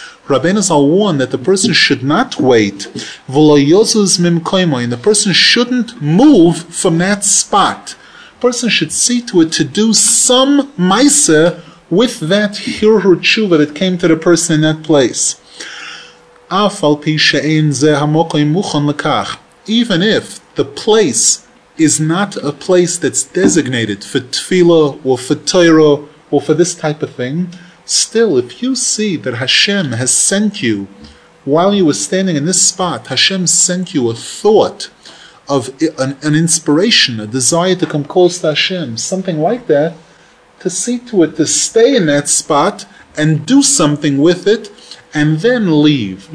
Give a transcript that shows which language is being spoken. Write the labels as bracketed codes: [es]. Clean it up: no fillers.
[en] Rabbi Nazal warned that the person should not wait. [he] V'lo yozuz mimkoimo, [en] and the person shouldn't move from that spot. A person should see to it to do some maisa with that hirhur tshuva that came to the person in that place. [he] אף על פי שאין זה המוקוים מוכן לכך. [en] Even if the place is not a place that's designated for tefillah or for Torah or for this type of thing, still, if you see that Hashem has sent you, while you were standing in this spot, Hashem sent you a thought of an inspiration, a desire to come close to Hashem, something like that, to see to it, to stay in that spot and do something with it, and then leave.